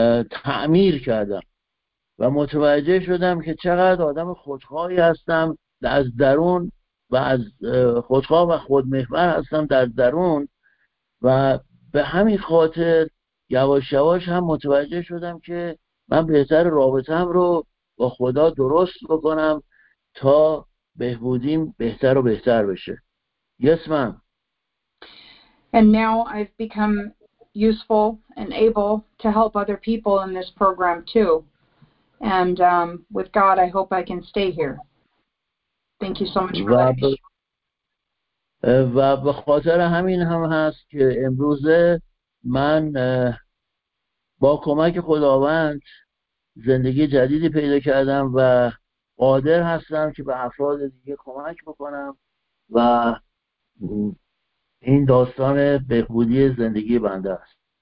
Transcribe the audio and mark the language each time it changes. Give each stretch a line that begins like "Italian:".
Persian: تعمیر کردم و متوجه شدم که چقدر آدم خودخواهی هستم از درون و از خودخواه و خودمحور هستم در درون و به همین خاطر یواش یواش هم متوجه شدم که من بهتر رابطه‌ام رو با خدا درست بکنم تا بهبودیم بهتر و بهتر بشه.
English: Yes, ma'am. And now I've become useful and able to help other people in this program too. And with God, I hope I can stay here. Thank you so much for that.
Persian: و به خاطر همین هم هست که امروزه من با کمک خداوند زندگی جدیدی پیدا کردم و قادر هستم که به افراد دیگه کمک بکنم و این داستان بهبودی زندگی بنده است.